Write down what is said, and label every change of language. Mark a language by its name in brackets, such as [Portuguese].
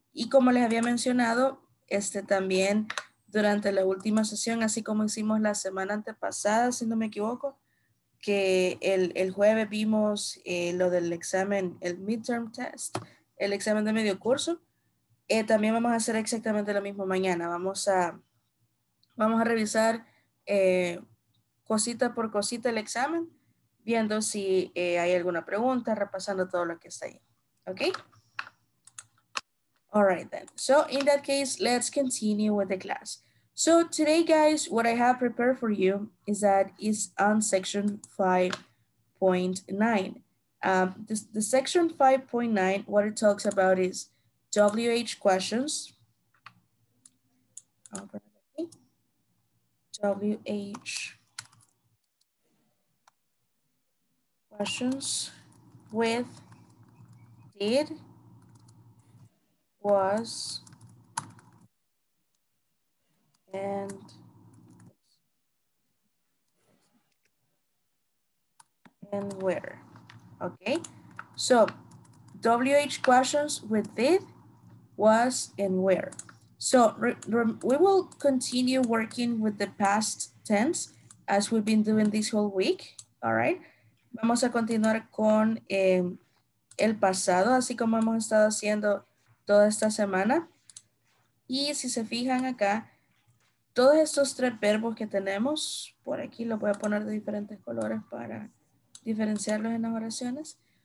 [Spanish] Y como les había mencionado, también durante la última sesión, así como hicimos la semana antepasada, si no me equivoco, que el jueves vimos lo del examen, el midterm test, el examen de medio curso, también vamos a hacer exactamente lo mismo mañana. Vamos a revisar cosita por cosita el examen, viendo si hay alguna pregunta, repasando todo lo que está ahí. ¿Ok? [English] All right then. So in that case, let's continue with the class. So today, guys, what I have prepared for you is on section 5.9. The section 5.9, what it talks about is WH questions. WH questions with did, was, and where. Okay, so WH questions with did, was, and where. So we will continue working with the past tense as we've been doing this whole week. All right, [Spanish] vamos a continuar con el pasado, así como hemos estado haciendo toda esta semana. Y si se fijan acá, todos estos tres verbos que tenemos, por aquí lo voy a poner de diferentes colores para diferenciarlos en las oraciones.